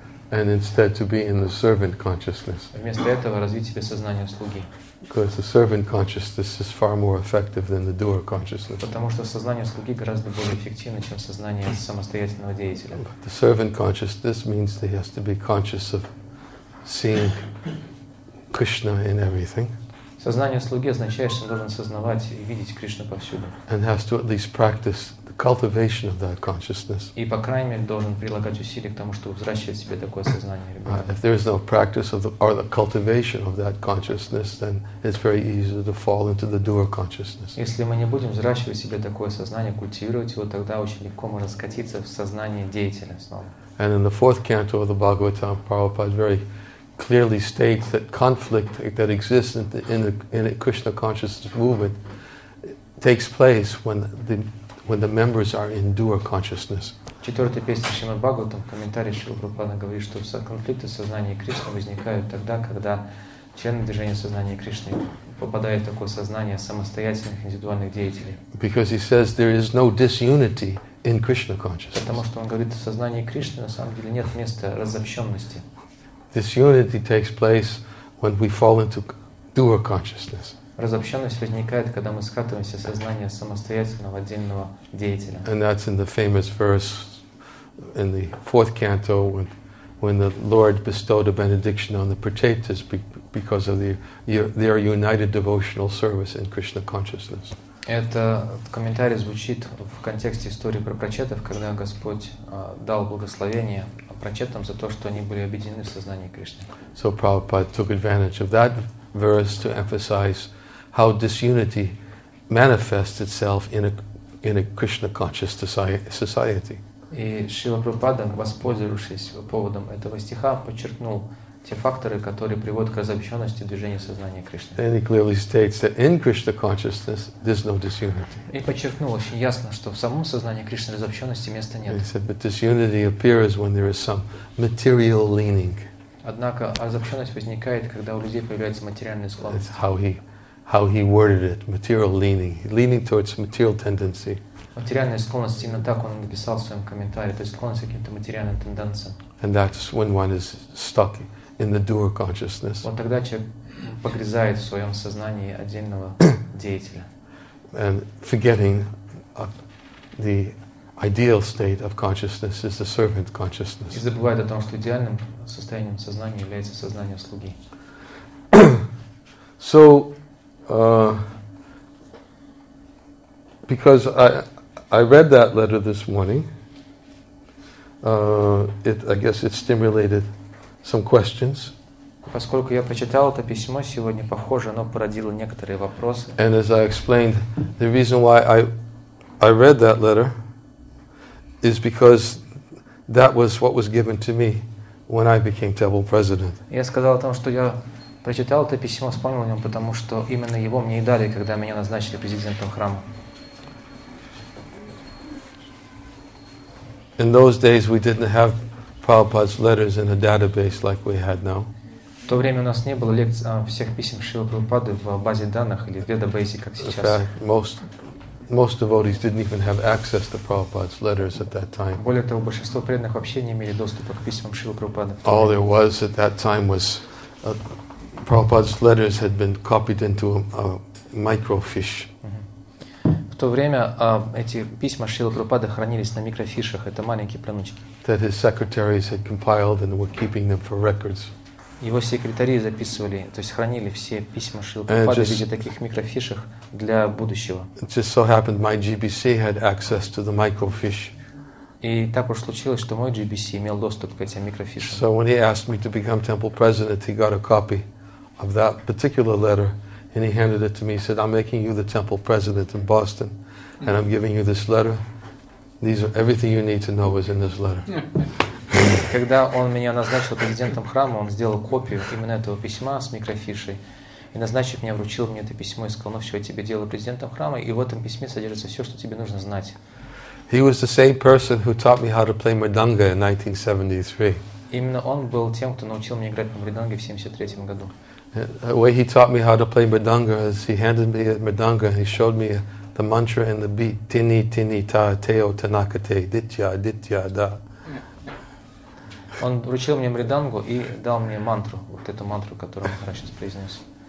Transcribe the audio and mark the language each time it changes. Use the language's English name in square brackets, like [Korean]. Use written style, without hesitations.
[English] And instead to be in the servant consciousness. [Russian] Вместо этого развить себе сознание слуги. [English] Because the servant consciousness is far more effective than the doer consciousness. [Russian] Потому что сознание слуги гораздо более эффективно, чем сознание самостоятельного деятеля. [English] But the servant consciousness means that he has to be conscious of seeing Krishna in everything. [Russian] Сознание слуги означает, что он должен сознавать и видеть Кришну повсюду. [English] And has to at least practice cultivation of that consciousness. [Russian] И по крайней мере должен прилагать усилия к тому, чтобы взращивать в себе такое сознание. [English] If there is no practice of the, or the cultivation of that consciousness, then it's very easy to fall into the doer consciousness. [Russian] Если мы не будем взращивать в себе такое сознание, культивировать его, тогда очень легко мы раскатиться в сознание деятеля снова. [English] And in the fourth canto of the Bhagavatam, Prabhupada very clearly states that conflict that exists in the Krishna consciousness movement takes place when the members are in doer consciousness. [Russian] Четвертая песня Шримад Бхагаватам, комментарий Шрилы Прабхупады говорит, что конфликты сознания Кришны возникают тогда, когда члены движения сознания Кришны попадают в такое сознание самостоятельных индивидуальных деятелей. [English] Because he says there is no disunity in Krishna consciousness. [Russian] Потому что он говорит, в сознании Кришны на самом деле нет места разобщенности. [English] Disunity takes place when we fall into doer consciousness. [Russian] Разобщенность возникает, когда мы скатываемся в сознание самостоятельного отдельного деятеля. [English] And that's in the famous verse in the fourth canto when the Lord bestowed a benediction on the Prachetas because of their united devotional service in Krishna consciousness. [Russian] Это комментарий звучит в контексте истории про прачетов, когда Господь дал благословение прачетам за то, что они были объединены в сознании Кришны. [English] So Prabhupada took advantage of that verse to emphasize how disunity manifests itself in a Krishna conscious society. [Russian] И Шрила Прабхупада, воспользовавшись поводом этого стиха, подчеркнул те факторы, которые приводят к разобщенности движения сознания Кришны. [English] And he clearly states that in Krishna consciousness there's no disunity. [Russian] И подчеркнул очень ясно, что в самом сознании Кришны разобщенности места нет. [English] He said, but disunity appears when there is some material leaning. [Russian] Однако разобщенность возникает, когда у людей появляется материальная склонность. [English] It's how he worded it, material leaning, leaning towards material tendency. [Russian] Материальная склонность, именно так он написал в своем комментарии, то есть склонность к каким-то материальным тенденциям. [English] And that's when one is stuck in the doer consciousness. [Russian] Вот тогда человек погрязает в своем сознании отдельного деятеля. [English] And forgetting the ideal state of consciousness is the servant consciousness. [Russian] И забывает о том, что идеальным состоянием сознания является сознание слуги. [English] So, because I read that letter this morning, I guess it stimulated some questions. [Russian] Поскольку я прочитал это письмо сегодня, похоже, оно породило некоторые вопросы. [English] And as I explained, the reason why I read that letter is because that was what was given to me when I became Temple President. [Russian] Я сказал о том, что я прочитал это письмо, вспомнил о нем, потому что именно его мне и дали, когда меня назначили президентом храма. [English] In those days we didn't have Prabhupada's letters in a database like we had now. [Russian] В то время у нас не было лекций всех писем Шрилы Прабхупады в базе данных или в веда-бейсе, как сейчас. [English] In fact, most devotees didn't even have access to Prabhupada's letters at that time. [Russian] Более того, большинство преданных вообще не имели доступа к письмам Шрилы Прабхупады. [English] All there was at that time was Prabhupada's letters had been copied into a microfiche. [Russian] В то время эти письма Шрилы Прабхупады хранились на микрофишах, это маленькие пленочки. [English] That his secretaries had compiled and were keeping them for records. [Russian] Его секретари записывали, то есть хранили все письма Шрилы Прабхупады в виде таких микрофишек для будущего. [English] It just so happened my GBC had access to the microfiche. [Russian] И так уж случилось, что мой GBC имел доступ к этим микрофишам. [English] So when he asked me to become temple president, he got a copy of that particular letter and he handed it to me. He said, "I'm making you the temple president in Boston, and I'm giving you this letter. These are everything you need to know is in this letter." [Russian] Когда он меня назначил президентом храма, он сделал копию именно этого письма с микрофишей и, назначив меня, вручил мне это письмо и сказал: «Ну все, я тебе делаю президентом храма, и в этом письме содержится все, что тебе нужно знать». [English] He was the same person who taught me how to play mridanga in 1973. [Russian] Именно он был тем, кто научил меня играть на мриданге в 73 году. [English] The way he taught me how to play mridanga is he handed me a mridanga and he showed me the mantra and the beat: tini tini ta teo tanakate ditya ditya da. [Russian] Он вручил мне мридангу и дал мне мантру, вот эту мантру, которую я сейчас произнес.